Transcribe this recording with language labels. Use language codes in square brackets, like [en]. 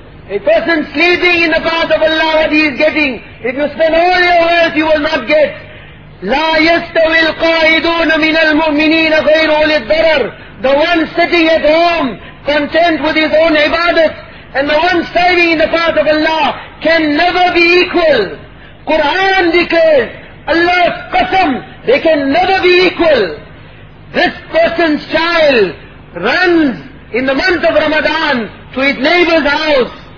[en] A person sleeping in the path of Allah, what he is getting, if you spend all your wealth, you will not get. [ar] لا يستوي القائدون من المؤمنين غير أولي الضرر. [en] The one sitting at home, content with his own ibadat, and the one striving in the path of Allah, can never be equal. Quran declares, Allah's qasam, they can never be equal. This person's child runs in the month of Ramadan to his neighbor's house.